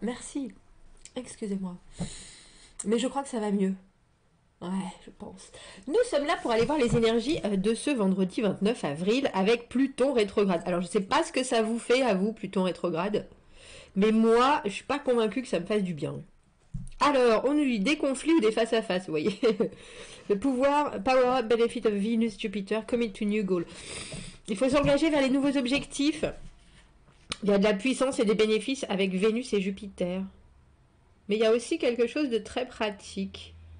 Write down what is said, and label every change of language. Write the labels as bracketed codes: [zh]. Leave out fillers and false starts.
[fr] Merci, excusez-moi. Mais je crois que ça va mieux. Ouais, je pense. Nous sommes là pour aller voir les énergies de ce vendredi 29 avril avec Pluton rétrograde. Alors, je ne sais pas ce que ça vous fait à vous, Pluton rétrograde, mais moi, je suis pas convaincue que ça me fasse du bien. Alors, on nous dit des conflits ou des face-à-face, vous voyez. Le pouvoir, [en] power up, benefit of Venus, Jupiter, commit to new goal. [fr] Il faut s'engager vers les nouveaux objectifs. Il y a de la puissance et des bénéfices avec Vénus et Jupiter. Mais il y a aussi quelque chose de très pratique.